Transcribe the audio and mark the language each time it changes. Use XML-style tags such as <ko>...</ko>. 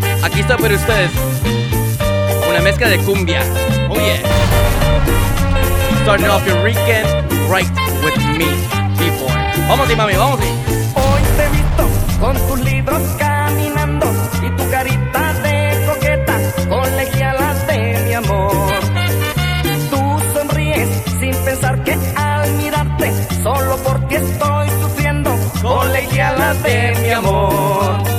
<es>Aquí está para ustedes una mezcla de cumbia.</es> <en>Oh yeah. Starting off your weekend right with me, people.</en> <es>Vamos y mami, vamos y. Hoy te he visto con tus libros caminando y tu carita de coqueta, colegiala de mi amor. Tú sonríes sin pensar que al mirarte solo por ti estoy sufriendo, colegiala de mi amor.</es>